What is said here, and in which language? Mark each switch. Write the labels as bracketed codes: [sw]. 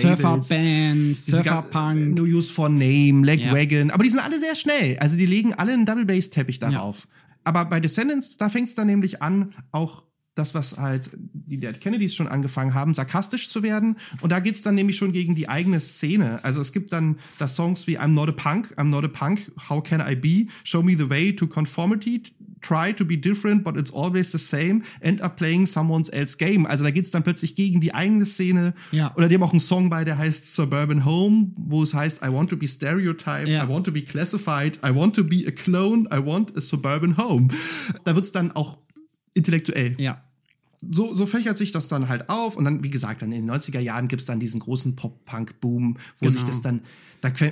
[de] Surfer-Bands, Surfer-Punk. No Use for Name, Leg Wagon. Aber die sind alle sehr schnell. Also die legen alle einen Double-Bass-Teppich darauf. Ja. Aber bei Descendants, da fängt's dann nämlich an, auch das, was halt die Dead Kennedys schon angefangen haben, sarkastisch zu werden. Und da geht's dann nämlich schon gegen die eigene Szene. Also es gibt dann da Songs wie [en] I'm not a punk, how can I be, show me the way to conformity, try to be different, but it's always the same, end up playing someone else's game. [de] Also da geht's dann plötzlich gegen die eigene Szene. Ja. Oder die haben auch einen Song bei, der heißt Suburban Home, wo es heißt, [en] I want to be stereotyped, I want to be classified, I want to be a clone, I want a suburban home. [de] Da wird's dann auch intellektuell. Ja. So fächert sich das dann halt auf. Und dann, wie gesagt, dann in den 90er Jahren gibt es dann diesen großen Pop-Punk-Boom, wo sich das dann da